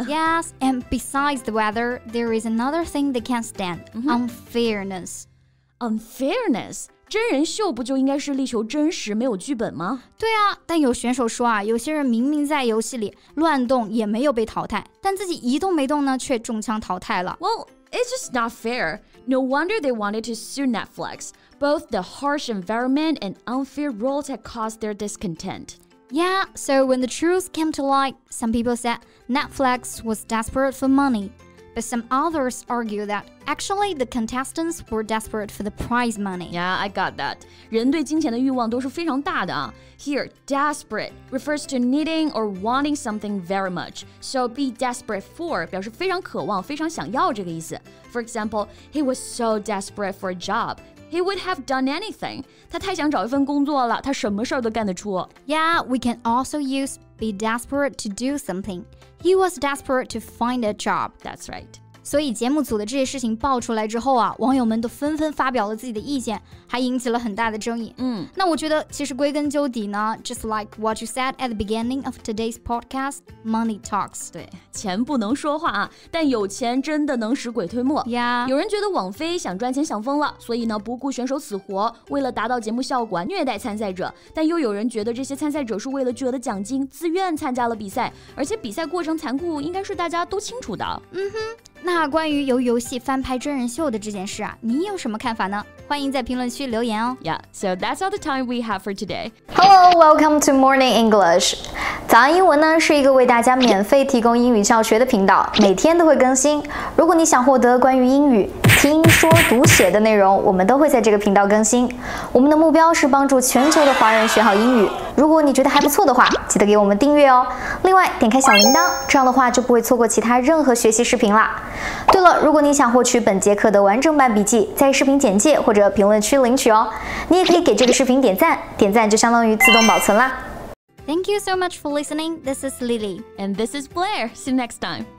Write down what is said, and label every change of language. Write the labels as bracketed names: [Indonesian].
[English] Yes, and besides the weather, there is another thing they can't stand,、mm-hmm. unfairness. Unfairness? [Chinese] 真人秀不就应该是力求真实没有剧本吗对啊但有选手说啊有些人明明在游戏里乱动也没有被淘汰但自己一动没动呢却中枪淘汰了。 [English] Well, it's just not fair. No wonder they wanted to sue Netflix. Both the harsh environment and unfair rules had caused their discontent. Yeah, so when the truth came to light, some people said Netflix was desperate for money. But some others argue that actually the contestants were desperate for the prize money. Yeah, I got that. [Chinese] 人对金钱的欲望都是非常大的啊。 [English] Here, desperate refers to needing or wanting something very much. So be desperate for [Chinese] 表示非常渴望、非常想要这个意思。 [English] For example, he was so desperate for a job. He would have done anything. [Chinese] 他太想找一份工作了，他什么事儿都干得出。 [English] Yeah, we can also use be desperate to do something. He was desperate to find a job. That's right. [Chinese] 所以节目组的这些事情爆出来之后啊，网友们都纷纷发表了自己的意见，还引起了很大的争议。嗯，那我觉得其实归根究底呢， [English] just like what you said at the beginning of today's podcast, money talks. [Chinese] 对，钱不能说话啊，但有钱真的能使鬼推磨。 [English] Yeah. [Chinese] 有人觉得网飞想赚钱想疯了，所以呢不顾选手死活，为了达到节目效果虐待参赛者。但又有人觉得这些参赛者是为了巨额的奖金自愿参加了比赛，而且比赛过程残酷应该是大家都清楚的。嗯哼。那关于由游戏翻拍真人秀的这件事啊，你有什么看法呢？欢迎在评论区留言哦。 [English] Yeah, so that's all the time we have for today. Hello, welcome to Morning English. [Chinese] 早安英文呢，是一个为大家免费提供英语教学的频道，每天都会更新。如果你想获得关于英语听说读写的内容，我们都会在这个频道更新。我们的目标是帮助全球的华人学好英语。如果你觉得还不错的话，记得给我们订阅哦。另外，点开小铃铛，这样的话就不会错过其他任何学习视频啦。对了，如果你想获取本节课的完整版笔记，在视频简介或者评论区领取哦。你也可以给这个视频点赞，点赞就相当于自动保存啦。 [English] Thank you so much for listening. This is Lily. And this is Blair. See you next time.